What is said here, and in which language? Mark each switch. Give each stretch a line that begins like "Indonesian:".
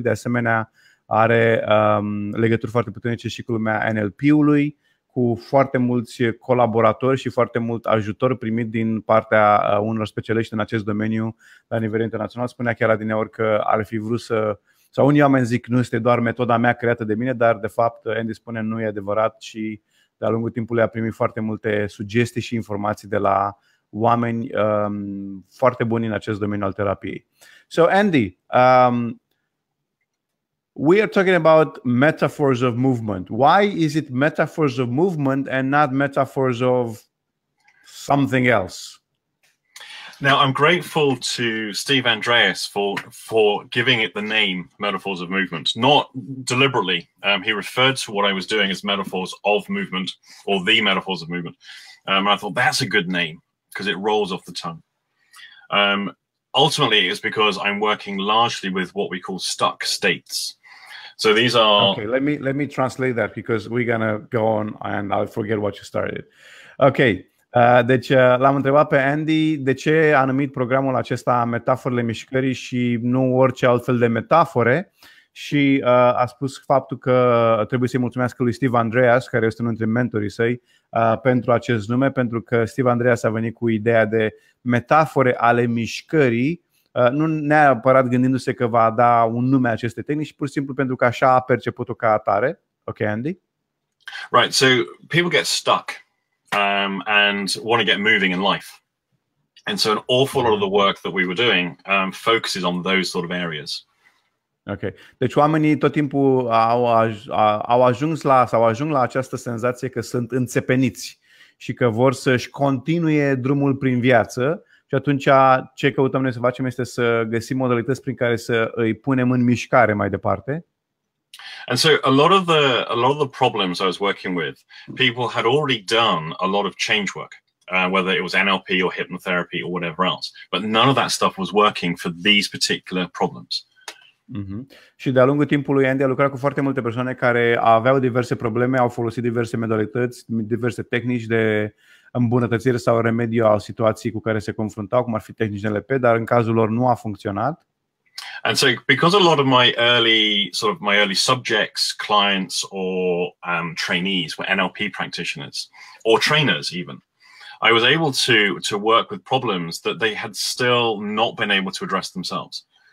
Romanian: De asemenea, are legături foarte puternice și cu lumea NLP-ului, cu foarte mulți colaboratori și foarte mult ajutor primit din partea unor specialiști în acest domeniu la nivel internațional. Spunea chiar adineori că ar fi vrut să... Sau unii oameni zic, nu este doar metoda mea creată de mine, dar de fapt Andy spune nu e adevărat și de-a lungul timpului a primit foarte multe sugestii și informații de la oameni foarte buni în acest domeniu al terapiei.
English: So Andy, we are talking about metaphors of movement. Why is it metaphors of movement and not metaphors of something else? Now, I'm grateful to Steve Andreas for giving it the name Metaphors of Movement, not deliberately. He referred to what I was doing as Metaphors of Movement or the Metaphors of Movement. And I thought that's a good name because it rolls off the tongue. Ultimately, it's because I'm working largely with what we call stuck states. So these are okay. Let me translate that because we're gonna go on and I'll forget what you started. Okay.
Romanian: L-am întrebat pe Andy de ce a numit programul acesta Metaforele Mișcării și nu orice altfel de metafore. Și a spus faptul că trebuie să-i mulțumească lui Steve Andreas, care este unul dintre mentorii săi, pentru acest nume, pentru că Steve Andreas a venit cu ideea de metafore ale mișcării. Nu neapărat gândindu-se că va da un nume aceste tehnici, pur și simplu pentru că așa a perceput-o ca atare.
English: Ok, Andy? Right, so people get stuck and want to get moving in life. And so an awful lot of the work that we were doing focuses on those sort of areas. Ok.
Romanian: Deci oamenii tot timpul au ajuns la această senzație că sunt înțepeniți. și că vor să-și continue drumul prin viață. Și atunci ce căutăm noi să facem este să găsim modalități prin care să îi punem în mișcare mai departe.
English: And so a lot of the problems I was working with, people had already done a lot of change work, whether it was NLP or hypnotherapy or whatever else, but none of that stuff was working for these particular problems. Mm-hmm.
Romanian: Și de-a lungul timpului Andy a lucrat cu foarte multe persoane care aveau diverse probleme, au folosit diverse modalități, diverse tehnici de îmbunătățire sau remediu al situației cu care se confruntau, cum ar fi tehnici NLP, dar în cazul lor nu a funcționat.
English: And so because a lot of my early sort of my early subjects, clients or trainees were NLP practitioners or trainers even, I was able to work with problems that they had still not been able to address themselves.